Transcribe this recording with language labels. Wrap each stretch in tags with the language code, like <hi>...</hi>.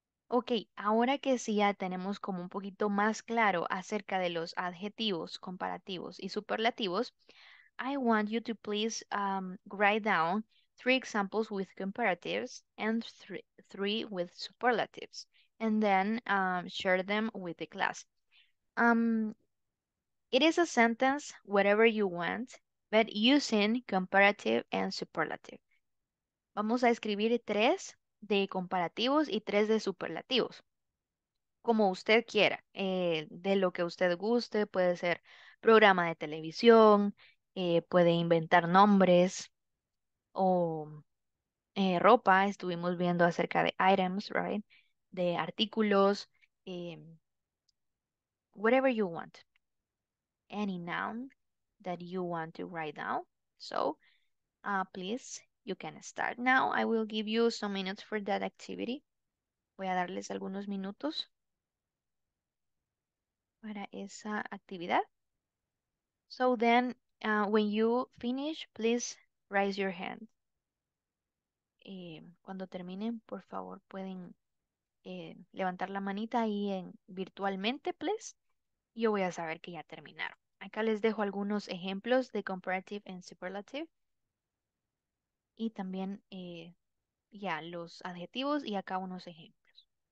<es>Ok, ahora que sí ya tenemos como un poquito más claro acerca de los adjetivos comparativos y superlativos,</es> <en>I want you to please write down 3 examples with comparatives and 3 with superlatives, and then share them with the class. It is a sentence, whatever you want, but using comparative and superlative.</en> <es>Vamos a escribir 3 de comparativos y 3 de superlativos. Como usted quiera, de lo que usted guste, puede ser programa de televisión, puede inventar nombres o ropa. Estuvimos viendo acerca de items, right? De artículos,</es> <en>whatever you want. Any noun that you want to write down. So, please, you can start now. I will give you some minutes for that activity.</en> <es>Voy a darles algunos minutos para esa actividad.</es> <en>So then, when you finish, please raise your hand.</en> <es>Cuando terminen, por favor, pueden levantar la manita ahí en virtualmente, please. Yo voy a saber que ya terminaron. Acá les dejo algunos ejemplos de comparative and superlative. Y también, los adjetivos y acá unos ejemplos.</es>